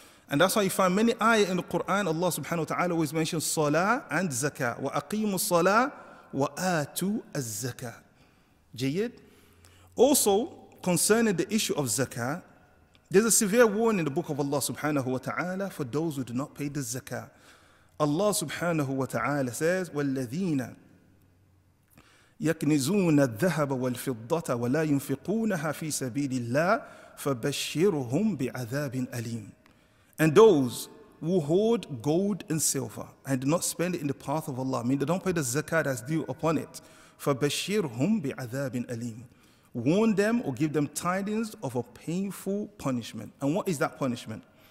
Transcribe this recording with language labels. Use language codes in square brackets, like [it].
[en] And that's why you find many ayah in the Quran, Allah subhanahu wa ta'ala always mentions salah and zakah. [ar] Wa aqimu salah wa atu az-zakah. Jayyid? [en] Also, concerning the issue of zakah, there's a severe warning in the book of Allah subhanahu wa ta'ala for those who do not pay the zakah. Allah subhanahu wa ta'ala says, [ar] وَالَّذِينَ يَكْنِزُونَ الذَّهَبَ وَالْفِضَّةَ وَلَا يُنْفِقُونَهَا فِي سَبِيلِ اللَّهِ فَبَشِّرُهُمْ بِعَذَابٍ أَلِيمٍ. [en] And those who hoard gold and silver and do not spend it in the path of Allah, I mean they don't pay the zakah that's due upon it, [ar] فَبَشِّرْهُمْ بِعَذَابٍ أَلِيمٍ, [en] warn them or give them tidings of a painful punishment. And what is that punishment?